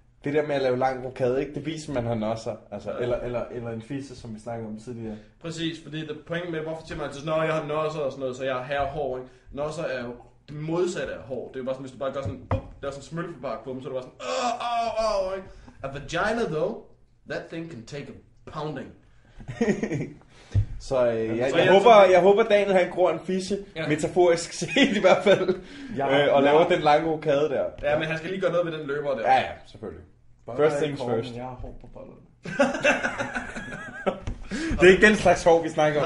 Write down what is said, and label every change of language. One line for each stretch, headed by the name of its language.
Danish: Det der med at lave lang rokade, ikke? Det viser man, han også er. Altså, ja. eller en fisse, som vi snakkede om tidligere. Præcis, fordi det pointet med, hvorfor siger man altid, når jeg har nosser og sådan noget, så jeg er her hård, ikke? Nosser er jo det modsatte af hård. Det er bare sådan, hvis du bare gør sådan... Der er sådan en smølfebark på dem, så er du bare sådan...
English: A vagina, though, that thing can take a pounding.
Danish: Så jeg håber Daniel han gror en fisse, ja. Metaforisk set i hvert fald, ja, og laver den lange rokade der. Ja, men han skal lige gøre noget med den løber der. Ja, ja, selvfølgelig.
English: First things first.
Danish: Jeg har hår på ballen. Det er ikke den slags hår, vi snakker om.